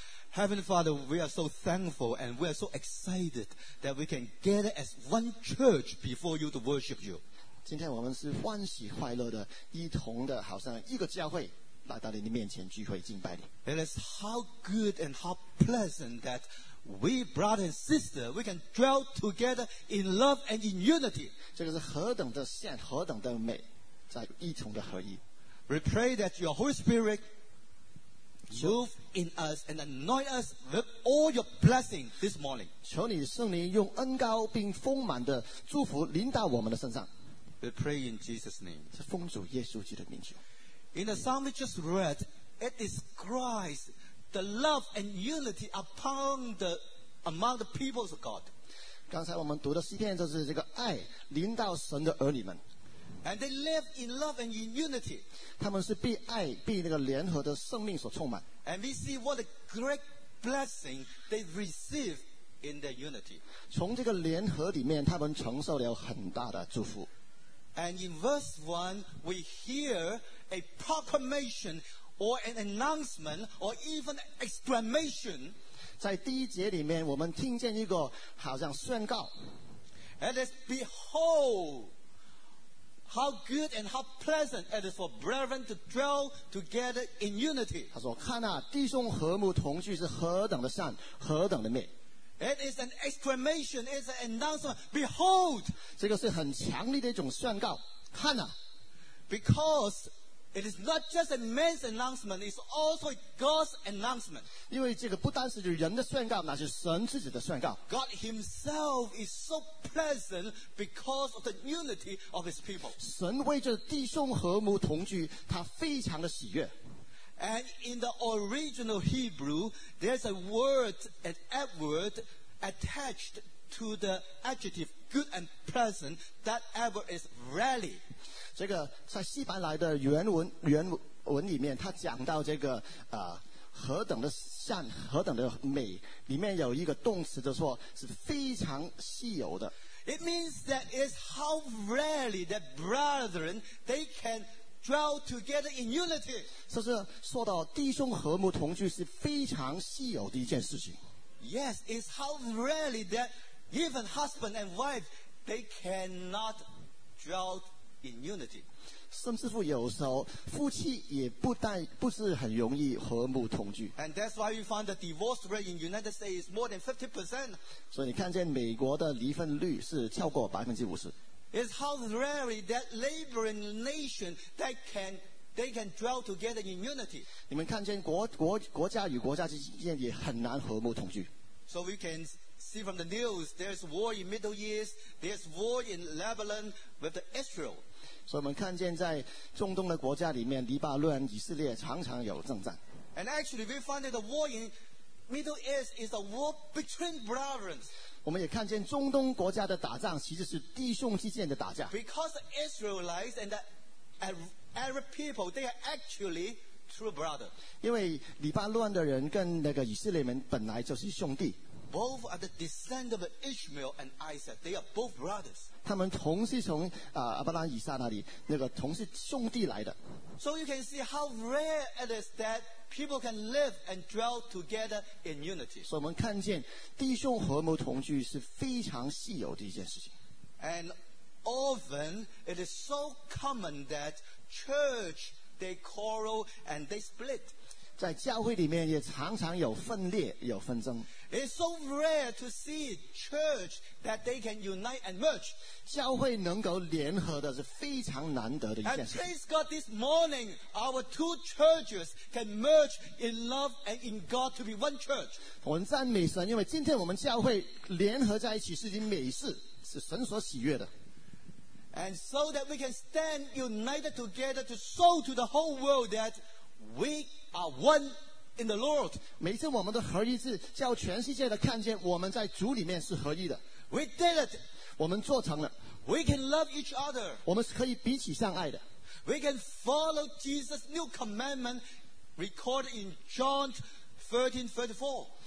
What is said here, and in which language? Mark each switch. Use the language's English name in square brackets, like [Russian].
[English] Heavenly Father, we are so thankful and we are so excited that we can gather as one church before you to worship you. [Chinese] 今天我们是欢喜快乐的，一同的，好像一个教会来到你面前聚会敬拜你。 [English] It is how good and how pleasant that we, brother and sister, we can dwell together in love and in unity. [Chinese] 这个是何等的善，何等的美，在一同的合一。 [English] We pray that your Holy Spirit move in us and anoint us with all your blessings this morning. [Chinese] 求你圣灵用恩膏并丰满的祝福临到我们的身上。 [English] We pray in Jesus' name. [Chinese] 是奉主耶稣基督的名求。 [English] In the psalm we just read, it is Christ. The love and unity upon the among the peoples of God. [Chinese] 刚才我们读的诗篇就是这个爱临到神的儿女们。 [English] And they live in love and in unity. [Chinese] 他们是被爱被那个联合的生命所充满。 [English] And we see what a great blessing they receive in their unity. [Chinese] 从这个联合里面，他们承受了很大的祝福。 [English] And in verse 1, we hear a proclamation. Or an announcement, or even exclamation. [Chinese] 在第一节里面，我们听见一个好像宣告。 [English] It is behold, how good and how pleasant it is for brethren to dwell together in unity. [Chinese] 他说：“看啊，弟兄和睦同聚是何等的善，何等的美。” [English] It is an exclamation. It's an announcement. Behold, [Chinese] 这个是很强力的一种宣告。看啊 [English] because. It is not just a man's announcement, it's also God's announcement. [Chinese] 因为这个不单是人的宣告，那是神自己的宣告。 [English] God himself is so pleasant because of the unity of his people. [Chinese] 神为着弟兄和睦同居，他非常的喜悦。 [English] And in the original Hebrew, there's a word, an adverb, attached to the adjective good and pleasant. That adverb is rarely. [Chinese] 这个在希伯来的原文里面，他讲到这个何等的善，何等的美，里面有一个动词的说是非常稀有的。 [English] It means that is how rarely that brethren they can dwell together in unity. [Chinese] 这是说到弟兄和睦同居是非常稀有的一件事情。 [English] Yes, is how rarely that even husband and wife they cannot dwell. In unity. [Chinese] 甚至乎有时候夫妻也不是很容易和睦同居。 [English] And that's why we find the divorce rate in United States is more than 50%. [Chinese] 所以你看见美国的离婚率是超过50%。 [English] It's how rarely that laboring nation that can, they can dwell together in unity. [Chinese] 你们看见国家与国家之间也很难和睦同居。 [English] So we can see from the news, there's war in Middle East, there's war in Lebanon. With the Israel. [Chinese] 所以我们看见在中东的国家里面，黎巴嫩、以色列常常有征战。 [English] And actually, we find that the war in Middle East is a war between brethren. [Chinese] 我们也看见中东国家的打仗其实是弟兄之间的打架。 [English] Because the Israelites and the Arab people, they are actually true brothers. [Chinese] 因为黎巴嫩的人跟那个以色列人本来就是兄弟。 [English] both are the descendants of Ishmael and Isaac. They are both brothers. [Chinese] 他们同是从亚伯拉罕以撒那里，那个同是兄弟来的。 [English] So you can see how rare it is that people can live and dwell together in unity. [Chinese] 所以我们看见弟兄和睦同居是非常稀有的一件事情。 [English] And often it is so common that church they quarrel and they split. [Chinese] 在教会里面也常常有分裂有纷争 [English] It's so rare to see church that they can unite and merge [Chinese] 教会能够联合的是非常难得的一件事 [English] And praise God this morning our two churches can merge in love and in God to be one church [Chinese] 我们赞美神因为今天我们教会联合在一起是一件美事是神所喜悦的 [English] And so that we can stand united together to show to the whole world thatWe are one in the Lord. [Chinese] 每次我们的合一是叫全世界的看见我们在主里面是合一的。 [English] We did it. [Chinese] 我们做成了。 [English] We can love each other. [Chinese] 我们是可以彼此相爱的。 [English] We can follow Jesus' new commandment recorded in John 13:34.